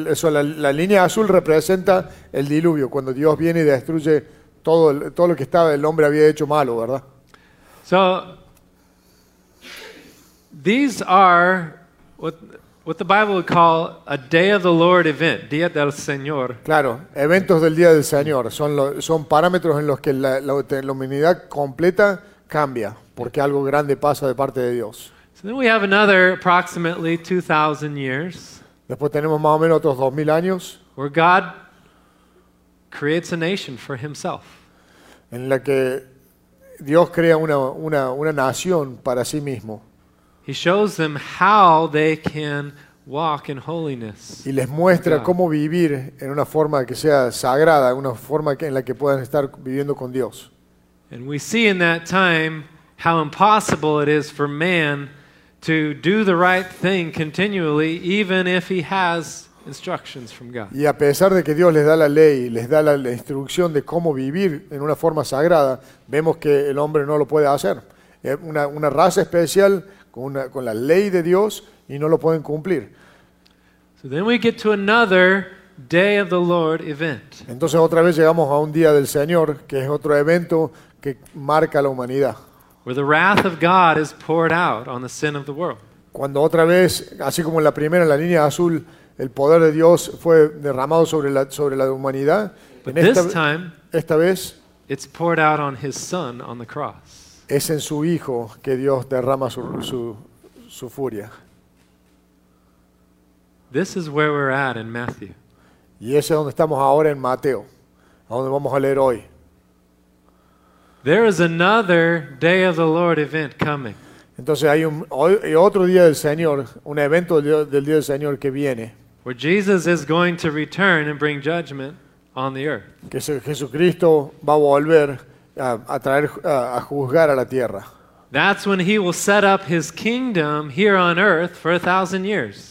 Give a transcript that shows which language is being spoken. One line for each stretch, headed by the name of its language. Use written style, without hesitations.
Spanish: La línea azul representa el diluvio, cuando Dios viene y destruye todo lo que estaba el hombre había hecho malo, ¿verdad?
English: So, these are what the Bible would call a Day of the Lord event,
Spanish: Día del Señor. Claro, eventos del Día del Señor son parámetros en los que la humanidad completa cambia, porque algo grande pasa de parte de Dios.
English: So then we have another approximately 2,000 years.
Spanish: Después tenemos más o menos otros 2,000 años.
English: Where God creates a nation for himself.
Spanish: En la que Dios crea una nación para sí mismo.
English: He shows them how they can walk in holiness.
Spanish: Y les muestra cómo vivir en una forma que sea sagrada, una forma en la que puedan estar viviendo con Dios.
English: And we see in that time how impossible it is for man to do the right thing continually, even if he has instructions from God.
Spanish: Y a pesar de que Dios les da la ley, les da la instrucción de cómo vivir en una forma sagrada, vemos que el hombre no lo puede hacer. Una raza especial con la ley de Dios y no lo pueden cumplir.
English: So then we get to another day of the Lord event.
Spanish: Entonces otra vez llegamos a un día del Señor, que es otro evento que marca la humanidad.
English: Where the wrath of God is poured out on the sin of the world.
Spanish: Cuando otra vez, así como en la primera, en la línea azul, el poder de Dios fue derramado sobre la humanidad.
English: But
Spanish: en esta,
English: this time,
Spanish: esta vez,
English: it's poured out on his son on the cross.
Spanish: Es en su hijo que Dios derrama su furia.
English: This is where we're at in Matthew.
Spanish: Y ese es donde estamos ahora en Mateo, a donde vamos a leer hoy.
English: There is another day of the Lord event coming.
Spanish: Entonces hay otro día del Señor, un evento del día del Señor que viene.
English: Where Jesus is going to return and bring judgment on the earth.
Spanish: Que Jesucristo va a volver a juzgar a la tierra.
English: That's when he will set up his kingdom here on earth for 1,000 years.